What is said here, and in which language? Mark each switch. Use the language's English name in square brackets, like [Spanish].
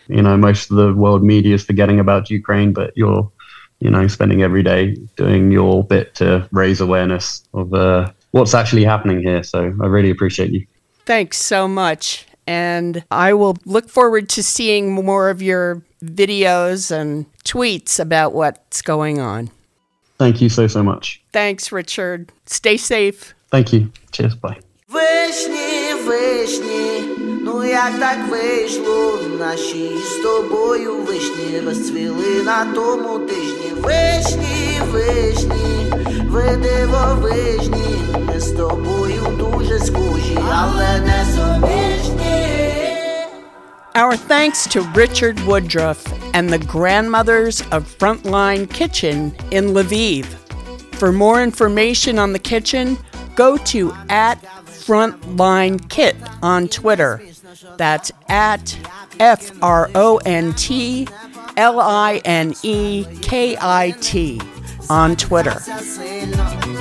[English] You know, most of the world media is forgetting about Ukraine, but you're, you know, spending every day doing your bit to raise awareness of what's actually happening here. So I really appreciate you. Thanks so much. And I will look forward to seeing more of your videos and tweets about what's going on. Thank you so much. Thanks, Richard. Stay safe. Thank you. Cheers. Bye. [Ukrainian] Вишні, вишні, ну як так вийшло, наші з тобою вишні розцвіли на тому тижні. Вишні, вишні, ви дивовижні, ми з тобою дуже схожі, але не суміжні. [English] Our thanks to Richard Woodruff and the grandmothers of Frontline Kitchen in Lviv. For more information on the kitchen, go to @FrontlineKit on Twitter. That's @FrontlineKit on Twitter.